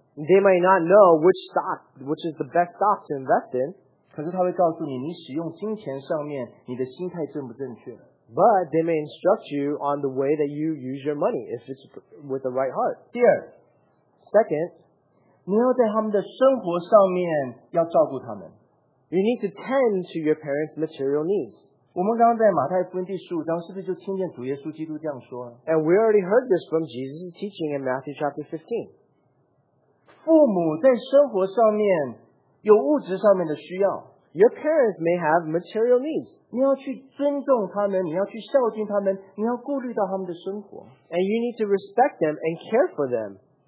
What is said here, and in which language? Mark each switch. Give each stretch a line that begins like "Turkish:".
English: They might not know which stock, which is the best stock to invest in.
Chinese: 可是他会告诉你，你使用金钱上面，你的心态正不正确。
English: But they may instruct you on the way that you use your money if it's with the right heart.
Chinese: 第二,
English: second,
Chinese: 你要在他们的生活上面要照顾他们。
English: You need to tend to your parents' material needs.
Chinese: 我们刚刚在马太福音第15章，是不是就听见主耶稣基督这样说了？
English: And we already heard this from Jesus' teaching in Matthew chapter 15.
Chinese: 父母在生活上面有物质上面的需要。
English: Your parents may have material needs.
Chinese: 你要去尊重他们，你要去孝敬他们，你要顾虑到他们的生活。
English: And you need to respect them and care for them.